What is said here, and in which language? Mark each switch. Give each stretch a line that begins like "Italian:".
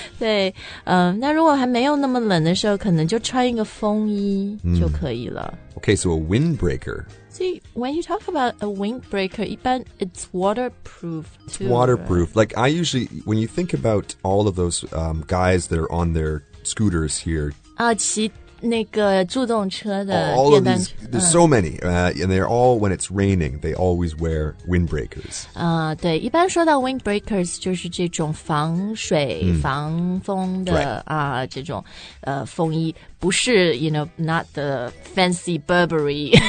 Chinese: 对、那如果还没有那么冷的时候可能就穿一个风衣就可以了。
English: Mm. Okay, so a windbreaker. See, when you talk about a windbreaker,
Chinese: 一般
English: it's waterproof too. It's waterproof. Like, I usually, when you think about all of those、guys that are on their scooters here.
Chinese: 啊，骑那个助动车的电单车
English: all of these, there's so many、and they're all when it's raining they always wear windbreakers、
Chinese: 对一般说到 windbreakers 就是这种防水、mm. 防风的、
English: right.
Chinese: 这种、风衣不是
English: you know not the fancy Burberry